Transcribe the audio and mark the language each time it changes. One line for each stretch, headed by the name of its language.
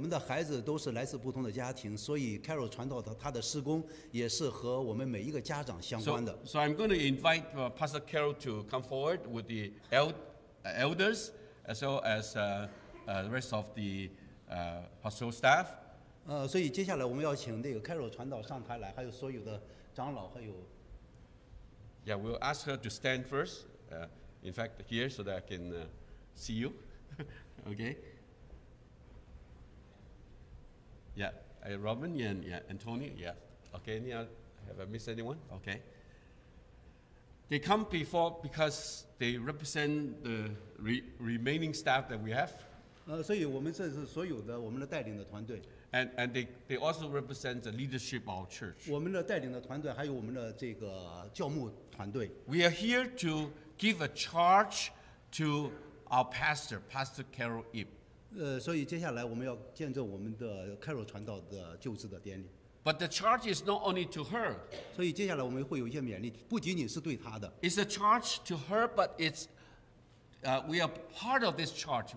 Chinese: 因为我们的孩子都是来自不同的家庭，所以 Carol 传道的他的事工也是和我们每一个家长相关的。
English: So I'm going to invite Pastor Carol to come forward with the elders as well as the rest of the pastoral staff.
Chinese: 所以接下来我们要请这个 Carol 传道上台来，还有所有的长老，还有
English: Yeah, we'll ask her to stand first. In fact, here so that I can see you. Okay. Yeah, Robin, yeah, and Tony, yeah. Okay, any other, have I missed anyone? Okay. They come before because they represent the remaining staff that we have.
Chinese: 所以我们这是所有的我们的带领的团队。
English: And they also represent the leadership of our church.
Chinese: 我们的带领的团队还有我们的这个教牧团队。
English: We are here to give a charge to our pastor, Pastor Carol Yip.
Chinese: 所以接下来我们要见证我们的Carol传道的就职的典礼。
English: But the charge is not only to her.
Chinese: 所以接下来我们会有一些勉励，不仅仅是对她的。
English: It's a charge to her, but it's we are part of this charge.